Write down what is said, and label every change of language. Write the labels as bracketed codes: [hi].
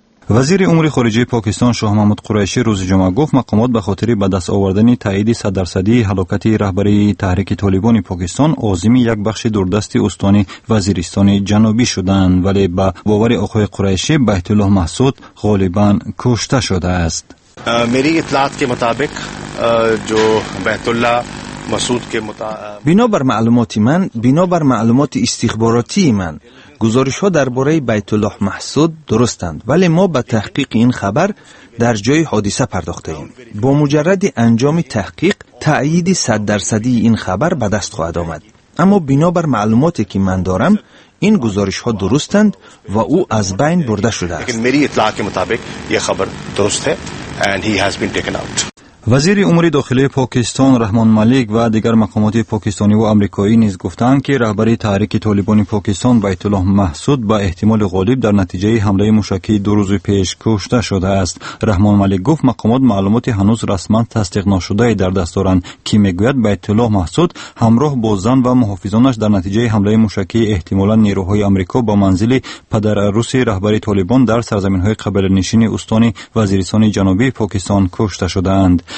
[fa] وزیر امور خارجه پاکستان شاه محمود قریشی روز جمعه گفت مقامات به خاطر به دست آوردن تایید 100% هلاکت رهبری تحریک طالبان پاکستان عازم یک بخش دوردست استان وزیرستان جنوبی شدند، ولی به باور آقای قریشی بیت الله محسود غالبا کشته شده است. [ur] میری اطلاعات کے مطابق جو بیت الله محسود کے [fa] بنابر معلومات استخباراتی من، گزارش ها درباره بیت الله محسود درستند، ولی ما به تحقیق این خبر در جای حادثه پرداخته ایم. با مجرد انجام تحقیق تأیید 100% این خبر به دست خواهد آمد. اما بنابر معلوماتی که من دارم این گزارش ها درستند و او از بین برده شده است. [ur] میری اطلاعات کے مطابق یہ خبر درست ہے [en] And he has been taken out. [fa] وزیر امور داخلی پاکستان رحمان ملک و دیگر مقامات پاکستانی و آمریکایی نیز گفتند که رهبری تحریک طالبان پاکستان بیت الله محسود با احتمال غالب در نتیجه حمله موشکی 2 پیش کشته شده است. رحمان ملک گفت مقامات معلومات هنوز رسما تصدیق نشده در دست دارند که میگوید بیت الله محسود همراه با زن و محافظانش در نتیجه حمله موشکی احتمالاً نیروهای آمریکا با منزل پدر روسی رهبری طالبان در سرزمین‌های قبیله نشین استان وزیرستان جنوبی پاکستان کشته شده‌اند.